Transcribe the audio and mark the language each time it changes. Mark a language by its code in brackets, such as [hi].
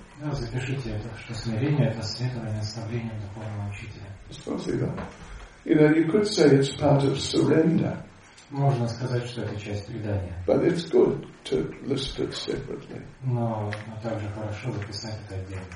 [ru] Запишите это, что смирение — это следование наставлениям духовного учителя. [en] You know, you could say it's part of surrender. [ru] Можно сказать, что это часть предания. [en] But it's good to list it separately. [ru] Но также хорошо записать это отдельно.